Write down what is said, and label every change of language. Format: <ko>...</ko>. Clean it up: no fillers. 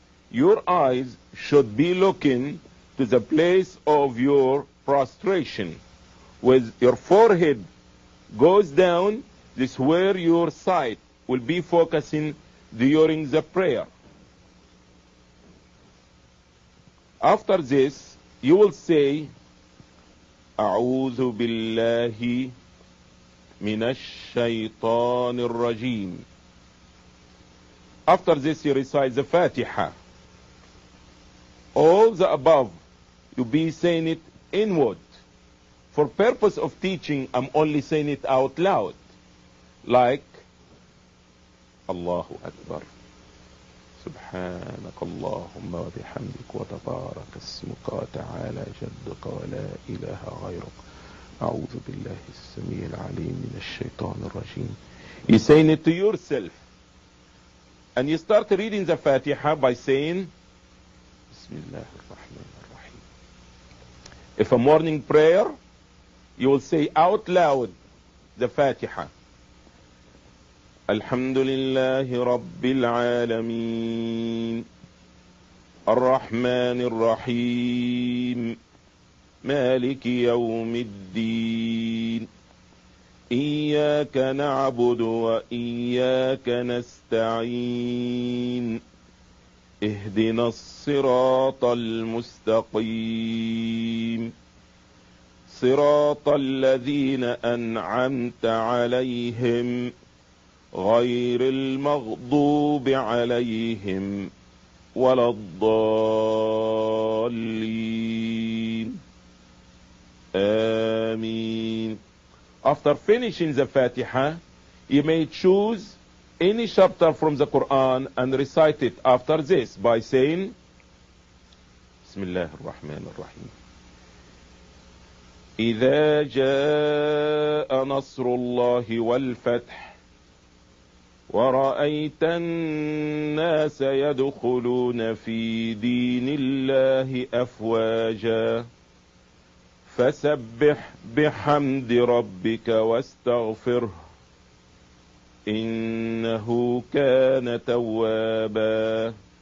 <en>Your eyes should be looking to the place of your prostration. With your forehead goes down, this is where your sight will be focusing during the prayer. After this, you will say,</en> <ar>أعوذ بالله من الشيطان الرجيم.</ar> <en>After this, you recite the Fatiha. All the above, you be saying it inward. For purpose of teaching, I'm only saying it out loud. Like, Allahu Akbar.</en> <ar>سبحانك اللهم وبحمدك وتبارك اسمك وتعالى جدك ولا إله غيرك. أعوذ بالله السميع العليم من الشيطان الرجيم.</ar> <en>He's saying it to yourself. And you start reading the Fatiha by saying,</en> <ar>Bismillah ar-Rahman ar-Rahim.</ar> <en>If a morning prayer, you will say out loud the Fatiha.</en> <ar>Alhamdulillah Rabbil Alameen. Ar-Rahman ar-Rahim. مالك يوم الدين إياك نعبد وإياك نستعين اهدنا الصراط المستقيم صراط الذين أنعمت عليهم غير المغضوب عليهم ولا الضالين Ameen.</ar> <en>After finishing the Fatiha, you may choose any chapter from the Quran and recite it after this by saying,</en> <ar>Bismillah ar-Rahman ar-Rahim. إذا جاء نصر الله والفتح ورأيت الناس يدخلون في دين الله أفواجا فسبح بحمد ربك واستغفره إنه كان توابا.</ar>